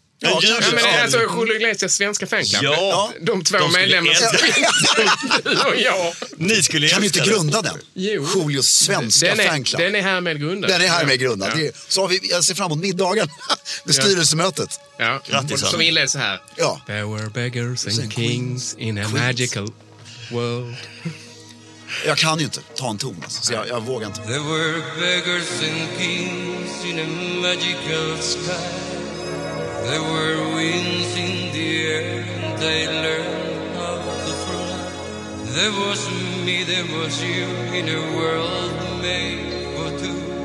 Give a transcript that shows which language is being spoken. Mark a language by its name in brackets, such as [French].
[Swedish] Ja, ja, men det är alltså Julio Iglesias svenska fanclub. Ja. De två medlemmarna. Ja. Ni skulle kan inte grunda den. Jo. Julios svenska fanclub. Den är härmed grundad. Den är härmed grundad. Ja. Det är, så har vi, jag ser fram emot middagen med styrelsemötet. Ja. Grattis. Som inleds så här. Ja. [English] There were beggars and kings in a queens. Magical world. [Swedish] Jag kan ju inte ta en ton, alltså, så jag vågar inte. [English] There were beggars and kings in a magical sky. There were winds in the air and they learned how to fly. There was me, there was you in a world made for two.